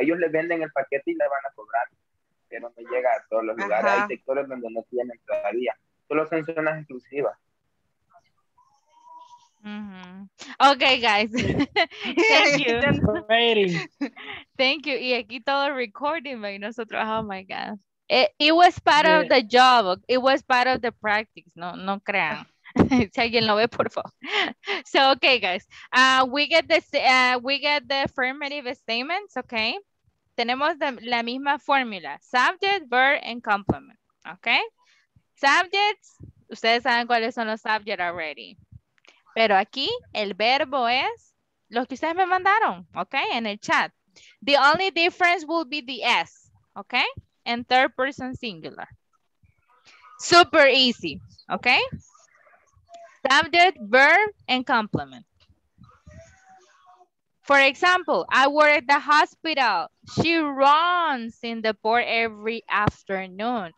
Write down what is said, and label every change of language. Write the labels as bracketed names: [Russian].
[Spanish] Ellos le venden el paquete y le van a cobrar, pero no llega a todos los lugares. Ajá. Hay sectores donde no tienen todavía, solo son zonas exclusivas. [English] Mm-hmm. Okay, guys. Thank you. Thank you. [Spanish] Y aquí todo recording, y nosotros, [English] oh my god. It was part of the job, it was part of the practice, [Spanish] no crean. Si alguien lo ve, por favor. [English] So, okay, guys. We get the affirmative statements, okay? [Spanish] Tenemos la misma fórmula. [English] Subject, verb, and complement, [Spanish] okay? Subjects, ustedes saben cuáles son los subjects already. Pero aquí, el verbo es los que ustedes me mandaron, okay? En el chat. [English] The only difference will be the S, okay? And third person singular. Super easy, okay? Subject, verb, and complement. For example, I work at the hospital. She runs in the port every afternoon.